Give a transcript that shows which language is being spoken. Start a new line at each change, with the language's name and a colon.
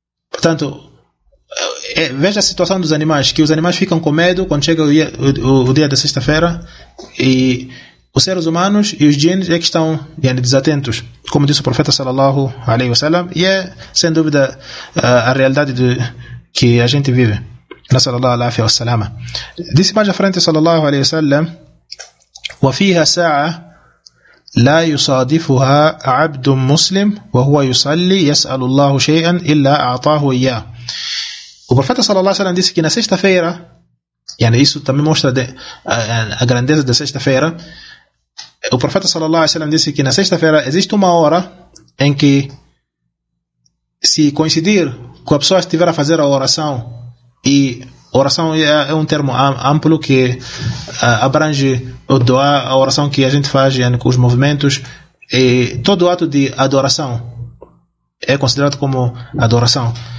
Portuguese: Portanto, veja a situação dos animais, que os animais ficam com medo quando chega o dia da sexta-feira, e os seres humanos e os djinns é que estão, yani, desatentos, como disse o profeta sallallahu alaihi wasallam, e é sem dúvida a realidade que a gente vive.
Arabic: Nasallallahu alaihi wasallam.
Portuguese: Disse mais à frente
Arabic: sallallahu alaihi wasallam: وفيها ساعة لا يصادفها عبد مسلم وهو يصلي يسأل الله شيئا إلا أعطاه إياه.
Portuguese: O profeta sallallahu alaihi wasallam disse que na sexta-feira, yani, isso também mostra a grandeza da sexta-feira. O profeta sallallahu alaihi wasallam disse que na sexta-feira existe uma hora em que, se coincidir com a pessoa estiver a fazer a oração, e oração é um termo amplo que abrange o doa, a oração que a gente faz, yani, com os movimentos, e todo ato de adoração é considerado como adoração.